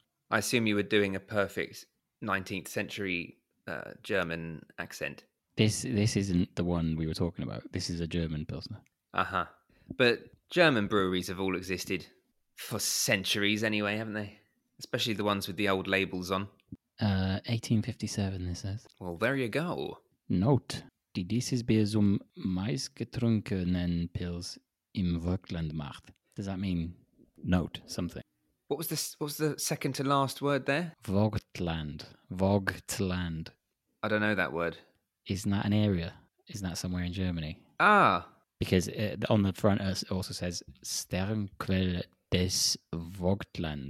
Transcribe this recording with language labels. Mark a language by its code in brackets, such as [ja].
[en] I assume you were doing a perfect 19th century German accent. This isn't the one we were talking about. This is a German Pilsner. Uh-huh. But German breweries have all existed for centuries anyway, haven't they? Especially the ones with the old labels on. 1857, this says. Well, there you go. Note. [de] Die dieses Bier zum meistgetrunkenen Pils im Volkland macht. [en] Does that mean note something? What was the second to last word there? Vogtland. Vogtland. I don't know that word. Isn't that an area? Isn't that somewhere in Germany? Ah. Because on the front it also says Sternquelle des Vogtlands.